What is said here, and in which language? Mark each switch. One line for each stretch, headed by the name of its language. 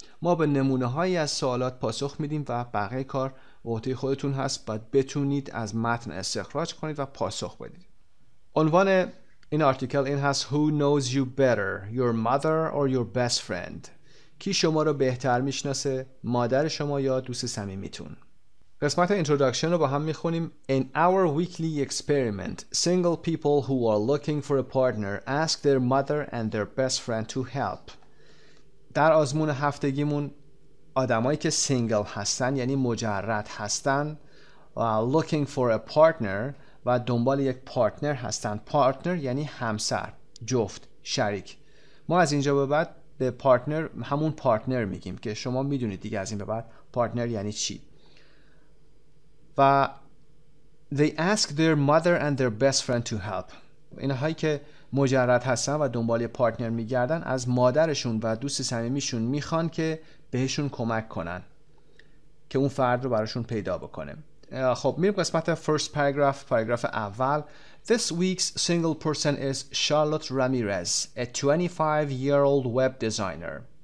Persian: ما به نمونه هایی از سوالات پاسخ میدیم و بقیه کار عهده خودتون هست، باید بتونید از متن استخراج کنید و پاسخ بدید. عنوان این آرتیکل این هست
English: Who knows you better, your mother or your best friend؟
Persian: کی شما رو بهتر میشناسه، مادر شما یا دوست صمیمیتون؟ قسمت اینتروداکشن رو با هم میخونیم.
English: In our weekly experiment, single people who are looking for a partner ask their mother and their best friend to help.
Persian: در آزمون هفتگیمون آدمایی که سینگل هستن یعنی مجرد هستن و
English: looking for a partner
Persian: و دنبال یک پارتنر هستن، پارتنر یعنی همسر، جفت، شریک. ما از اینجا به بعد به پارتنر همون پارتنر میگیم که شما میدونید دیگه از این به بعد پارتنر یعنی چی.
English: و they ask their mother and their best friend to help.
Persian: اینهایی که مجرد هستن و دنبال یه پارتنر میگردن از مادرشون و دوست صمیمیشون میخوان که بهشون کمک کنن که اون فرد رو براشون پیدا بکنه. خب میریم قسمت
English: first paragraph،
Persian: پاراگراف اول.
English: This week's single person is Charlotte Ramirez, a 25-year-old web designer.